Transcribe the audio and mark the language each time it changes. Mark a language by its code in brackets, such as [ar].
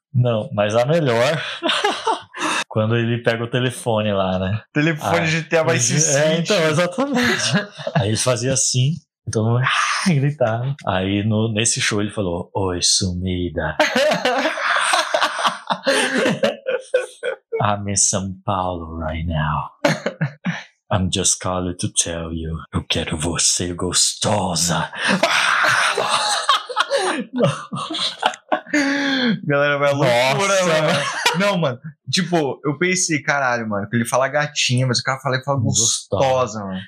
[pt] Não, mas a melhor... Quando ele pega o telefone lá, né? Telefone GTA Vice City. É, então, exatamente. Aí ele fazia assim, todo mundo gritava. Aí nesse show ele falou, oi, sumida. [en] I'm in São Paulo right now. I'm just calling to tell you, [pt] eu quero você gostosa. Galera, vai loucura, mano. Não, mano, tipo, eu pensei, caralho, mano, que ele fala gatinha, mas o cara fala que fala gostosa, mano.